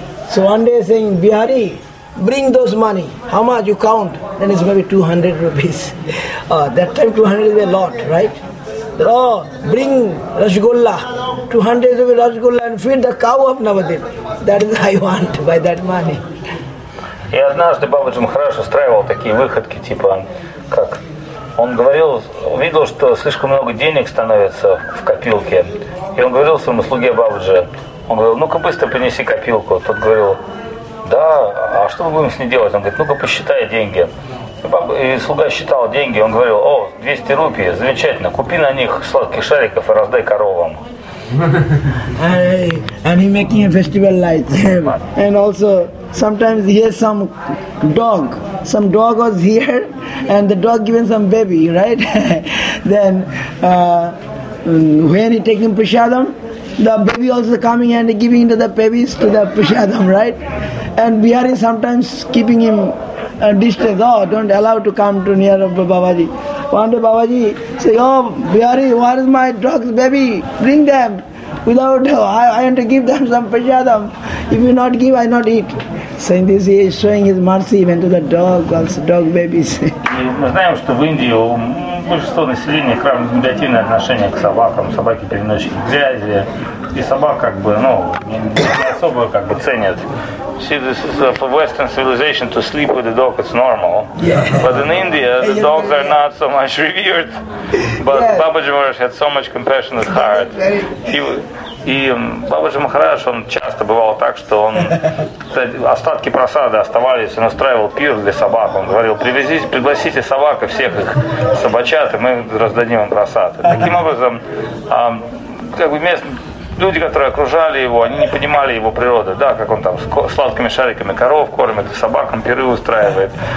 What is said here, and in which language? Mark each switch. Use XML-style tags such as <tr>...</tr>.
<en>So one day saying, Bihari, bring those money. How much you count? Then it's maybe 200 rupees. That time 200 is a lot, right? Bring Rasgulla. 200 rupees Rasgulla and feed the cow of Navadip. That is I want by that money.</en> <ru>И однажды Бабаджи Махарадж устраивал такие выходки, типа, как он говорил, увидел, что слишком много денег становится в копилке, и он говорил своему слуге Бабаджи, он говорил, ну-ка быстро принеси копилку. Тот говорил, да, а что мы будем с ней делать? Он говорит, ну-ка посчитай деньги. И слуга считал деньги, он говорил, о, 200 рупий, замечательно, купи на них сладких шариков и раздай коровам.</ru> <en>And he making a festival like them. And also sometimes he has some dog was here and the dog given some baby, right? Then when he taking prasadam, the baby also coming and giving the babies to the prasadam, right? And Bihari sometimes keeping him distance, don't allow to come too near of Babaji. One day Babaji say, Bihari, where is my dog's baby? Bring them. Without, I want to give them some prasadam. If you not give, I not eat. Saying this, he is showing his mercy even to the dog, also dog babies.</en> <ru>И мы знаем, что в Индии у большинства населения крайне негативное отношение к собакам. Собаки переносят грязи. И собак, как бы, ну, не особо как бы ценят.</ru> <en>See, this is for Western civilization to sleep with a dog, it's normal. Yeah. But in India, the dogs are not so much revered. But yeah. Бабаджи Махарадж had so much compassionate heart.</en> <ru>И Бабаджи Махарадж, он часто бывал так, что он остатки просады оставались, он устраивал пир для собак. Он говорил, пригласите собак и всех их собачат, и мы раздадим им просады. Таким образом, как бы местные люди, которые окружали его, они не понимали его природы, да, как он там с сладкими шариками коров кормит, собакам пиры устраивает.</ru>